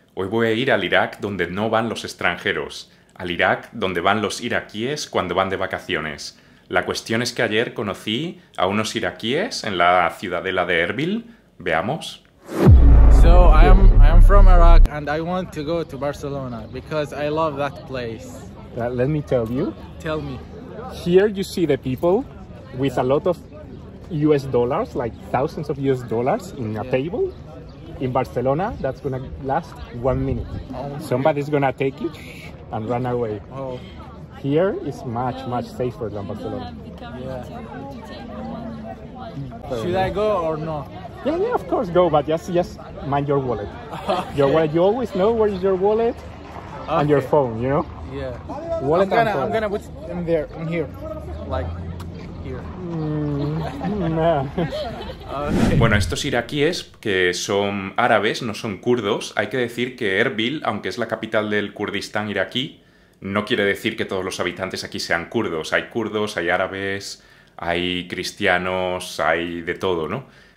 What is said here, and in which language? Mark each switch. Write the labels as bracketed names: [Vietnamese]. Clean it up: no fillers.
[Spanish] Hoy voy a ir al Irak donde no van los extranjeros. Al Irak donde van los iraquíes cuando van de vacaciones. La cuestión es que ayer conocí a unos iraquíes en la ciudadela de Erbil. Veamos. [English] So I am from Iraq and I want to go to Barcelona because I love that place. Let me tell you. Tell me. Here you see the people with a lot of US dollars, like thousands of US dollars in a table. In Barcelona, that's gonna last 1 minute. Oh, somebody's gonna take it and run away. Oh. Here is much, much safer than Barcelona. Yeah. Should I go or not? Yeah, of course go, but just mind your wallet. Okay. Your wallet, you always know where is your wallet and your phone, you know? Yeah. Wallet and phone. I'm gonna put it in there, in here. Like [Spanish] Bueno, estos iraquíes, que son árabes, no son kurdos, hay que decir que Erbil, aunque es la capital del Kurdistán iraquí, no quiere decir que todos los habitantes aquí sean kurdos. Hay kurdos, hay árabes, hay cristianos, hay de todo, ¿no?